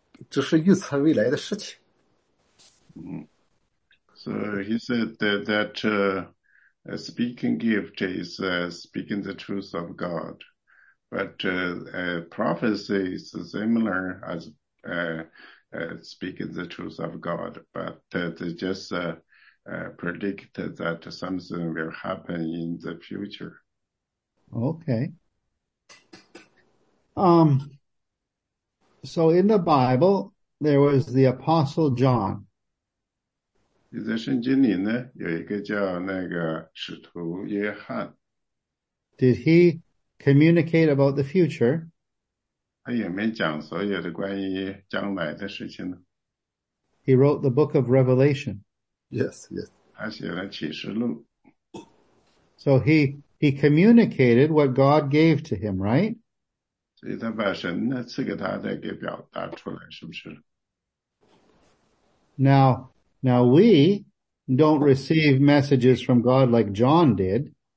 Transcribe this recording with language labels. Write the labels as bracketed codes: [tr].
[en] So he said that a speaking gift is speaking the truth of God, but a prophecy is similar as speaking the truth of God, but they just predict that something will happen in the future. Okay. So in the Bible, there was the Apostle John. [zh] 在圣经里呢，有一个叫那个使徒约翰。 [en] Did he communicate about the future? [zh] 他有没有讲所有的关于将来的事情呢？ [en] He wrote the book of Revelation. Yes. [zh] 他写了启示录。 [en] So he communicated what God gave to him, right? [zh] 所以他把神呢赐给他再给表达出来，是不是？ [en] Now we don't receive messages from God like John did.